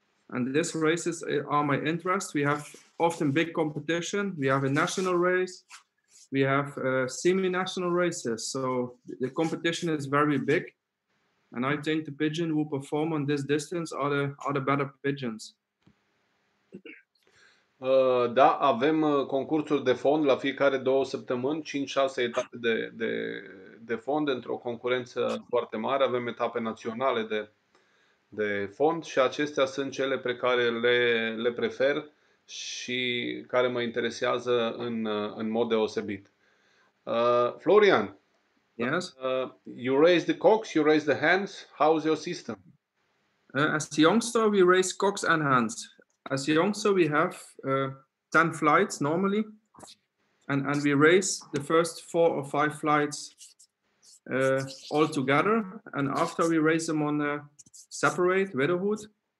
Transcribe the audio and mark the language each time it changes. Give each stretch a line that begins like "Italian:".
English: And these races are my interest. We have often big competition. We have a national race. We have semi-national races. So the competition is very big. And I think the pigeon who perform on this distance are the better pigeons.
Romanian: Da, avem concursuri de fond la fiecare 2 săptămâni, 5-6 etape de fond într-o concurență foarte mare. Avem etape naționale de fond și acestea sunt cele pe care le prefer și care mă interesează în mod deosebit.
English: Florian, yes? You raise the cocks, you raise the hands. How's your system? As a youngster, we raise cocks and hands. As young, so we have 10 flights normally, and we race the first 4 or 5 flights all together, and after we race them on a separate widowhood.